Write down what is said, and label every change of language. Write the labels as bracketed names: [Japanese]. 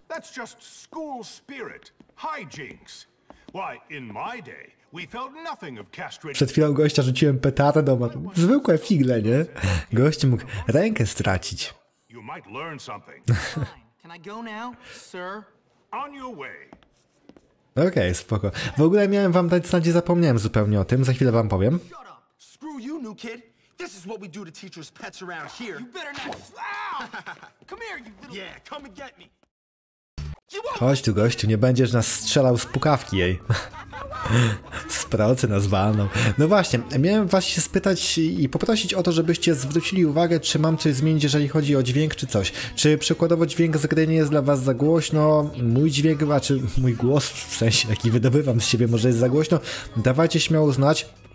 [English] That's just school spirit. Hijinks. Why, in my day, we felt nothing of castration. [Polish] Przed chwilą gościa rzuciłem petardę do matu. Zwykłe figle, nie? Gość mógł rękę stracić. [English] You might learn something. Can I go now, sir? On your way. [Polish] Okej, spoko. W ogóle miałem wam dać znać, zapomniałem zupełnie o tym. Za chwilę wam powiem. [English] Screw you, new kid. This is what we do to teachers' pets around here. You better not. Come here, you little. Yeah, come and get me. [Polish] Chodź tu, gościu, nie będziesz nas strzelał z pukawki jej. Z pracy nas walną. No właśnie, miałem was się spytać i poprosić o to, żebyście zwrócili uwagę, czy mam coś zmienić, jeżeli chodzi o dźwięk, czy coś. Czy przykładowo dźwięk z gry nie jest dla was za głośno, mój dźwięk, czy mój głos, w sensie, jaki wydobywam z siebie, może jest za głośno, dawajcie śmiało znać.